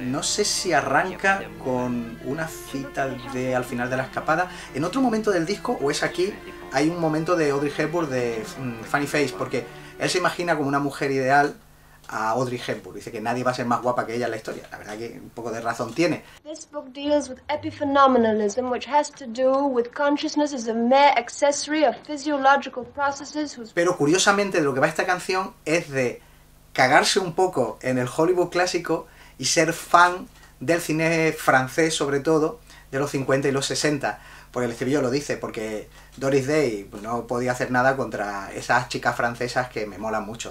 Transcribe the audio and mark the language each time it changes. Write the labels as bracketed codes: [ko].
[es] No sé si arranca con una cita de Al final de la escapada, en otro momento del disco o es aquí, hay un momento de Audrey Hepburn de Funny Face, porque él se imagina como una mujer ideal a Audrey Hepburn, dice que nadie va a ser más guapa que ella en la historia. La verdad que un poco de razón tiene. [en] This book deals with epiphenomenalism, which has to do with consciousness as a mere accessory of physiological processes. [es] Pero curiosamente de lo que va esta canción es de cagarse un poco en el Hollywood clásico y ser fan del cine francés, sobre todo de los 50 y los 60, Porque el estribillo lo dice, porque Doris Day no podía hacer nada contra esas chicas francesas que me molan mucho.